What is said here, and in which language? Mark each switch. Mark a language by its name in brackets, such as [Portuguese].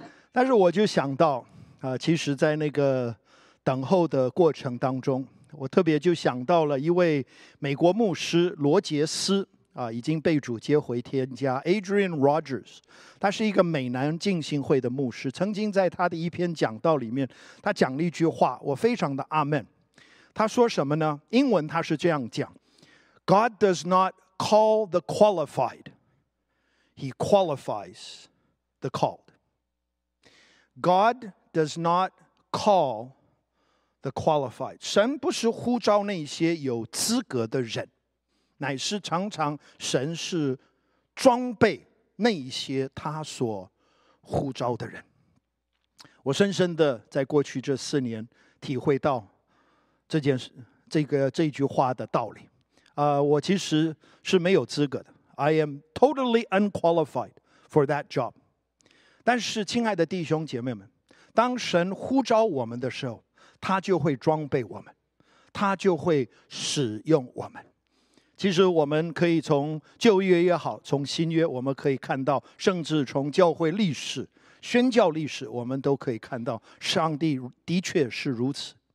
[Chinese] 但是我就想到其实在那个等候的过程当中，我特别就想到了一位美国牧师罗杰斯已经被主接回天家， Adrian Rogers， 他是一个美南浸信会的牧师，曾经在他的一篇讲道里面他讲了一句话我非常的 Amen。他说什么呢？英文他是这样讲， [English] God does not call the qualified, he qualifies the called. God does not call the qualified, [Chinese] 神不是呼召那些有资格的人，乃是常常神是装备那些他所呼召的人。我深深的在过去这四年体会到这句话的道理。我其实是没有资格的， [English] I am totally unqualified for that job. [Chinese] 但是亲爱的弟兄姐妹们，当神呼召我们的时候，他就会装备我们，他就会使用我们。其实我们可以从旧约也好，从新约我们可以看到，甚至从教会历史、宣教历史，我们都可以看到，上帝的确是如此。